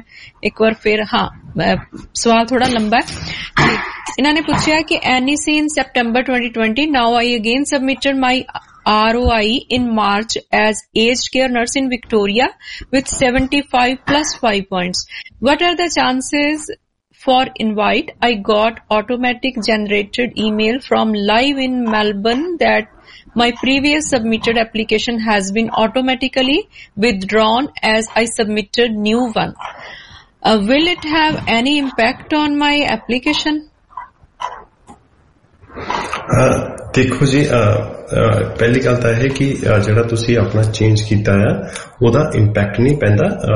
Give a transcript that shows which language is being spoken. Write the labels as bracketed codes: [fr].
[pa] ਮੈਂ ਇੱਕ ਵਾਰ ਫਿਰ ਹਾਂ ਸਵਾਲ ਥੋੜਾ ਲੰਬਾ ਇਹਨਾਂ ਨੇ ਪੁੱਛਿਆ ਕਿ [en] NEC in September 2020 now I again submitted my R O I in March as age care nurse in Victoria with 75+5 points, what are the chances for invite? I got automatic generated email from live in Melbourne that my previous submitted application has been automatically withdrawn as I submitted new one. Will it have any impact on my application? [pa] ਦੇਖੋ ਜੀ, ਪਹਿਲੀ ਗੱਲ ਤਾਂ ਇਹ ਹੈ ਕਿ ਜਿਹੜਾ ਤੁਸੀਂ ਆਪਣਾ ਚੇਂਜ ਕੀਤਾ ਆ ਉਹਦਾ ਇੰਪੈਕਟ ਨਹੀਂ ਪੈਂਦਾ।